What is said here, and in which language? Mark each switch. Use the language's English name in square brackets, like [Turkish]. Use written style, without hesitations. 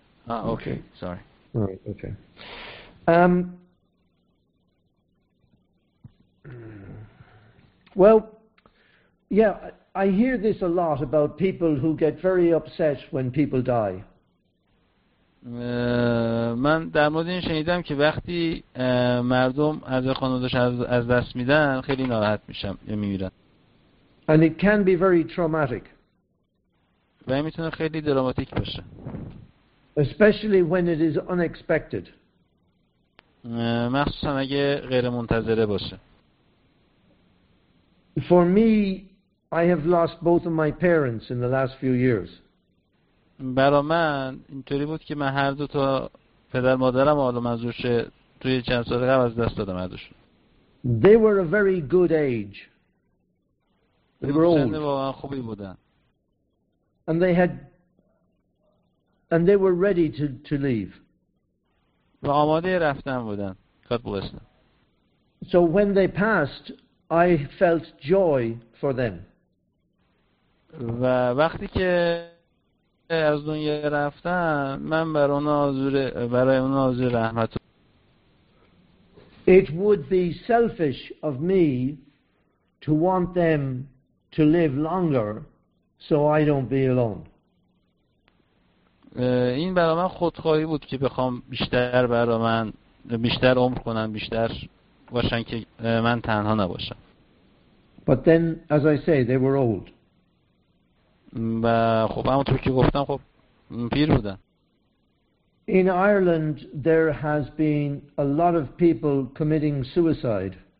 [English] Okay. Sorry. All right, okay. Well, yeah, I hear this a lot about people who get very upset when people die. [Persian] من در مورد این شنیدم که وقتی مردم از خانوادش از دست میدن خیلی ناراحت میشم یا میمیرن. [English] And it can be very traumatic. [Persian] و این میتونه خیلی دراماتیک باشه. [English] Especially when it is unexpected. [Persian] مخصوصا اگه غیر منتظره باشه. [English] For me, I have lost both of my parents in the last few years. [Persian] برای من اینطوری بود که من هر دو تا پدر مادرم حالا منظورشه توی چند سال قبل از دست دادم هر دوشون. [English] They were a very good age. They were old. [Persian] سن واقعا خوبی بودن. [English] And they were ready to leave. [Persian] و آماده رفتن بودن. [English] God bless them. So when they passed, I felt joy for them. [Persian] و وقتی که از دنیا رفتن من برای اونا آرزوی رحمت. [English] It would be selfish of me to want them to live longer so I don't be alone. [Persian] این برای من خودخواهی بود که بخوام بیشتر برای من بیشتر عمر کنن بیشتر باشن که من تنها نباشم. [English] But then as I say they were old. [Persian] و خب همونطور که گفتم خب پیر بودن. [English] In Ireland there has been a lot of people committing suicide.